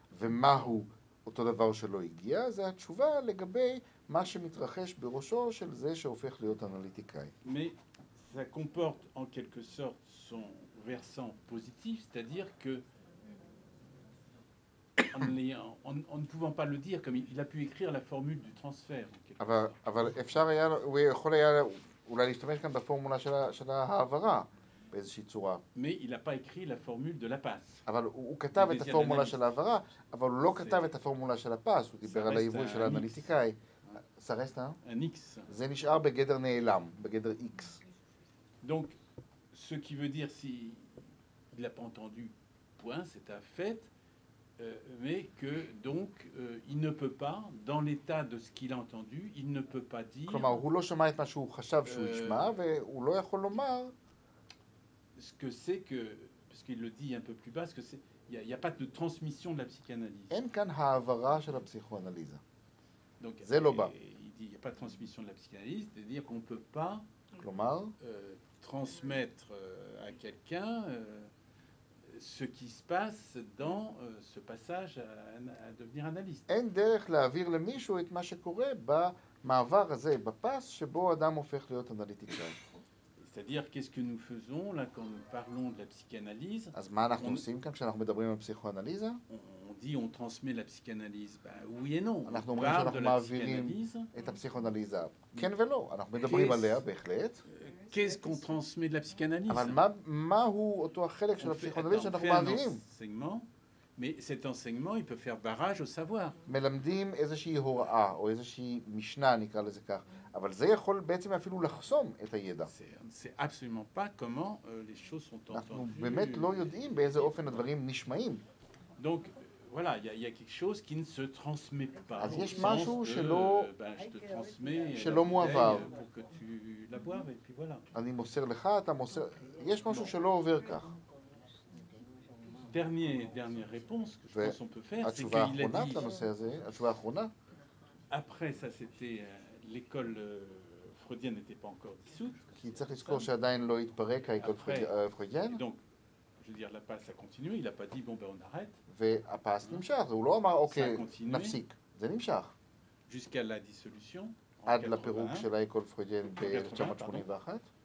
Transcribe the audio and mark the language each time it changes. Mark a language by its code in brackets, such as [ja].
[he] ומהו אותו דבר שלא הגיע, זה התשובה לגבי מה שמתרחש בראשו של זה שהופך להיות אנליטיקאי. [fr] Mais ça comporte en quelque sorte son versant positif, c'est-à-dire que en ne pouvant pas le dire, comme il a pu écrire la formule du transfert. [he] אבל אפשר היה, הוא יכול היה אולי להשתמש כאן בפורמולה של ההעברה באיזושהי צורה. [fr] Mais il n'a pas écrit la formule de la passe. [he] אבל הוא כתב את הפורמולה של ההעברה, אבל הוא לא כתב את הפורמולה של הפס, הוא דיבר על היווי של האנליטיקאי. [fr] Ça reste un X. [he] זה נשאר בגדר נעלם, בגדר X. [fr] Donc, ce qui veut dire, si il n'a pas entendu point, c'est un fait, mais que donc il ne peut pas, dans l'état de ce qu'il a entendu, il ne peut pas dire. [he] כלומר, הוא לא שמע את מה שהוא חשב שהוא ישמע, והוא לא יכול לומר. [fr] Ce que c'est que, parce qu'il le dit un peu plus bas, ce que c'est, il n'y a pas de transmission de la psychanalyse. [he] אין כאן העברה של הפסיכואנליזה. [fr] Donc, [he] זה לא בא. [fr] Il dit, il n'y a pas de transmission de la psychanalyse, c'est-à-dire qu'on ne peut pas. [he] כלומר. [fr] Transmettre à quelqu'un ce qui se passe dans ce passage à devenir analyste. [he] אין דרך להעביר למישהו את מה שקורה במעבר הזה, בפס שבו אדם הופך להיות אנליטיקאי. [fr] C'est-à-dire, qu'est-ce que nous faisons là quand nous parlons de la psychanalyse? [he] אז מה אנחנו עושים כאן כשאנחנו מדברים על פסיכואנליזה? [fr] On dit on transmet la psychanalyse. Bah, oui et non. [he] אנחנו אומרים שאנחנו מעבירים את הפסיכואנליזה. כן ולא, אנחנו מדברים עליה בהחלט. [fr] Qu'est-ce qu'on transmet de la psychanalyse? Alors, ma, mais cet enseignement, il peut faire barrage au savoir. [he] מלמדים איזושהי הוראה או איזושהי משנה, נקרא לזה כך. אבל זה יכול בעצם אפילו לחסום את הידע. [fr] C'est absolument pas comment les choses sont entendues. [he] אנחנו באמת לא יודעים באיזה אופן הדברים נשמעים. [fr] Donc, voilà, il y a quelque chose qui ne se transmet pas. [he] אז יש משהו שלא, [fr] ben, je te transmets, [he] שלא מועבר. [fr] Pour que tu la boives, et puis voilà. [he] אני מוסר לך, אתה מוסר, יש משהו שלא עובר כך. [fr] Dernière réponse que je pense on peut faire, c'est qu'il a dit. [he] התשובה האחרונה, אתה מוסר זה, התשובה האחרונה. [fr] Après, ça c'était, l'école freudienne n'était pas encore dissoute. [he] כי צריך לזכור שעדיין לא התפרק, האקול פרוידיאן. [fr] Donc, je veux dire, la passe a continué, il n'a pas dit, bon ben on arrête. [he] והפס נמשך, הוא לא אמר, אוקיי, נפסיק. זה נמשך. [fr] Jusqu'à la dissolution. [he] עד לפירוק של האקול פרוידיאן ב-1981.